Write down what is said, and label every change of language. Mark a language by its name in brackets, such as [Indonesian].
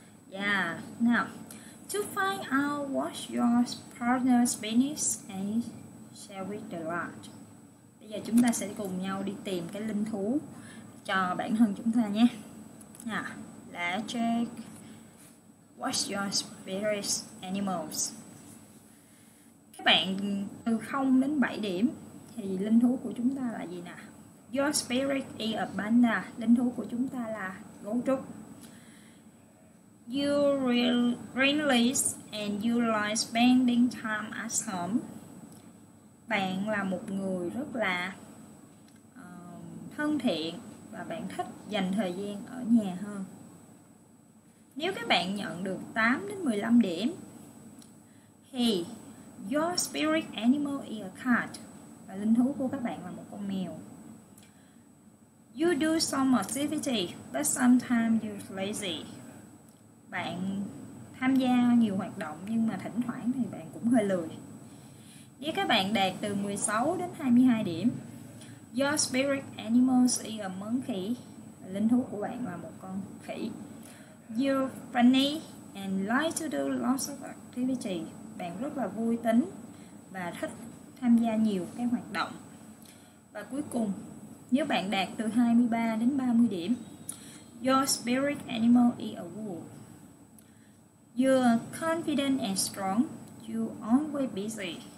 [English] Yeah, now, to find out what your partner's penis and share with the large. [Vietnamese] Bây giờ chúng ta sẽ cùng nhau đi tìm cái linh thú cho bản thân chúng ta nhé. [English] Yeah, let's check. What's your spirit animals? [Vietnamese] Các bạn từ 0 đến 7 điểm thì linh thú của chúng ta là gì nè? [English] Your spirit is a panda. [Vietnamese] Linh thú của chúng ta là gấu trúc. [English] You relax and you like spending time at home. [Vietnamese] Bạn là một người rất là thân thiện và bạn thích dành thời gian ở nhà hơn. Nếu các bạn nhận được 8 đến 15 điểm thì [English] your spirit animal is a cat. [Vietnamese] Và linh thú của các bạn là một con mèo. [English] You do some activity but sometimes you're lazy. [Vietnamese] Bạn tham gia nhiều hoạt động nhưng mà thỉnh thoảng thì bạn cũng hơi lười. Nếu các bạn đạt từ 16 đến 22 điểm, [English] your spirit animal is a monkey. [Vietnamese] Linh thú của bạn là một con khỉ. [English] You're funny and like to do lots of activity. [Vietnamese] Bạn rất là vui tính và thích tham gia nhiều các hoạt động. Và cuối cùng, nếu bạn đạt từ 23 đến 30 điểm, [English] your spirit animal is a wolf. You're confident and strong. You're always busy.